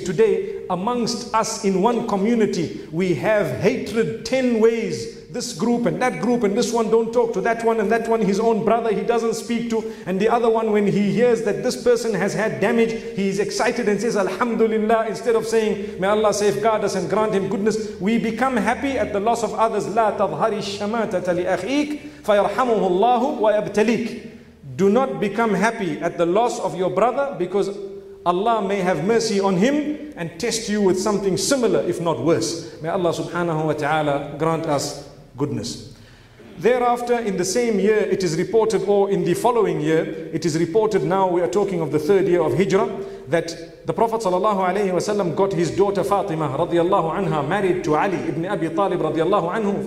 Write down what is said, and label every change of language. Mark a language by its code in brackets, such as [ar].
[en] Today, amongst us in one community, we have hatred 10 ways. This group and that group and this one don't talk to that one and that one, his own brother, he doesn't speak to. And the other one, when he hears that this person has had damage, he is excited and says, Alhamdulillah, instead of saying, may Allah safeguard us and grant him goodness. We become happy at the loss of others. [ar] لا تظهر الشماتة لأخيك فيرحمه الله ويبتليك. [en] Do not become happy at the loss of your brother because Allah may have mercy on him and test you with something similar, if not worse. May Allah subhanahu wa ta'ala grant us goodness. Thereafter, in the same year, it is reported, or in the following year, it is reported, now we are talking of the 3rd year of Hijrah, that the Prophet sallallahu alayhi wa sallam got his daughter Fatima radiallahu anha married to Ali ibn Abi Talib radiallahu anhu.